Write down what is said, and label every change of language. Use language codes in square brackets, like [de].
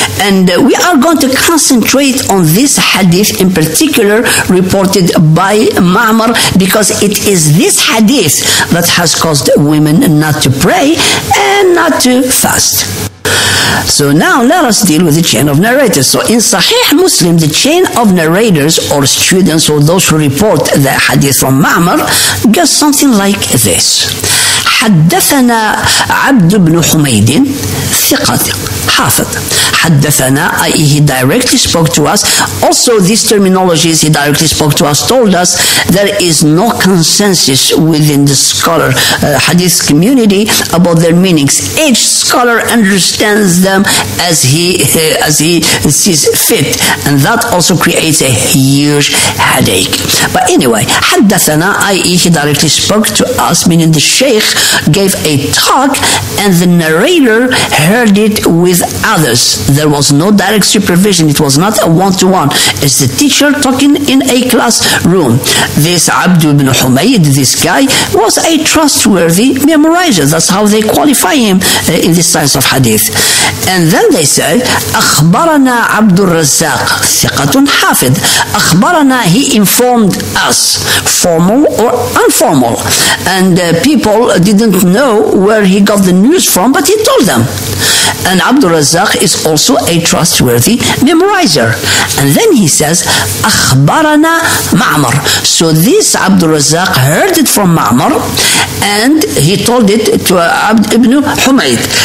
[en] And we are going to concentrate on this hadith in particular, reported by Ma'mar, because it is this hadith that has caused women not to pray and not to fast. So now let us deal with the chain of narrators. So in Sahih Muslim, the chain of narrators, or students, or those who report the hadith from Ma'mar, goes something like this. [ar] حدثنا عبد بن حميد ثقة حافظ. [en] حدثنا, i.e. he directly spoke to us. Also, these terminologies, he directly spoke to us, told us, there is no consensus within the scholar hadith community about their meanings. Each scholar understands them as he sees fit, and that also creates a huge headache. But anyway, حدثنا, i.e. he directly spoke to us, meaning the sheikh gave a talk and the narrator heard it with others. There was no direct supervision. It was not a one-to-one. It's the teacher talking in a classroom. This Abdu ibn Humayd, this guy, was a trustworthy memorizer. That's how they qualify him in the science of hadith. And then they said, [ar] أخبرنا عبد الرزاق ثقة حافظ. [en] أخبرنا, he informed us, formal or informal. And people didn't know where he got the news from, but he told them. And Abdul Razzaq is also a trustworthy memorizer. And then he says, أخبرنا Ma'mar. So this Abdul Razzaq heard it from Ma'mar, and he told it to Abd ibn Humayd.